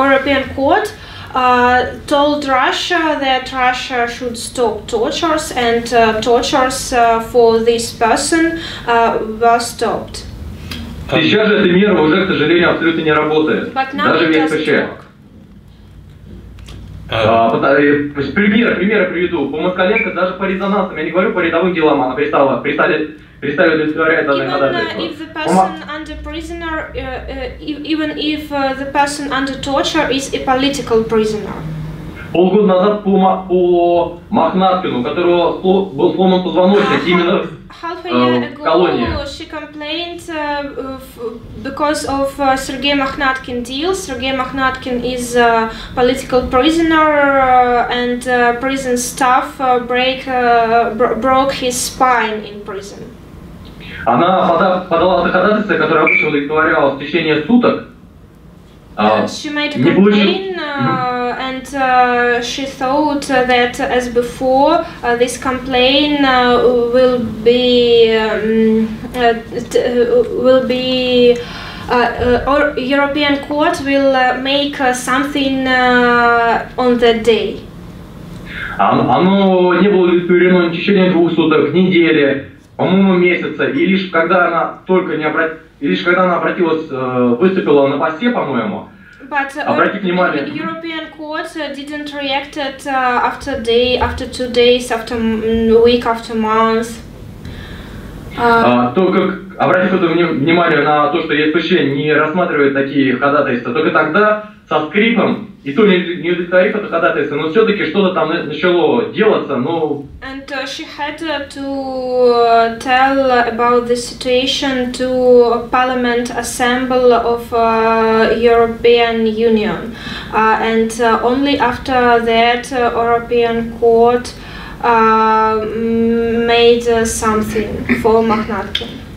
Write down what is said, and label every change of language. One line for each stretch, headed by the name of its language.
English: European court told Russia that Russia should stop tortures and tortures for this person were stopped.
Russian: Сейчас же эта мера уже, к сожалению, абсолютно не работает. Даже в ЕСПЧ. Примеры приведу. По Москаленко, даже по резонансам, я не говорю по рядовым делам, она перестала удовлетворять данные ходатайства.
English: Even if the person under torture is a political prisoner.
Russian: Полгода назад по Махнаткину, у которого был сломан позвоночник именно в колонии.
English: She complained because of Sergei Makhnatkin deal. Sergei Makhnatkin is a political prisoner and prison staff broke his spine in prison.
Russian: Она подала ходатайство, которое обычно удовлетворялось в течение суток.
English: She made a complaint and she thought that as before this complaint will be European court will make something on that day.
Russian: Оно не было удовлетворено в течение двух суток, недели, по-моему, месяца, и лишь когда она только не обратилась. И лишь когда она обратилась, выступила на посте, по-моему, обратите внимание.
English: European court didn't react after day, after 2 days, after week, after month.
Russian: Обратите внимание на то, что ЕСПЧ не рассматривает такие ходатайства, только тогда со скрипом И то не удовлетворит это ходатайство, но все-таки что-то там начало делаться, но...
English: And she had to tell about the situation to Parliament Assembly of European Union. And only after that European Court made something for Magnatka.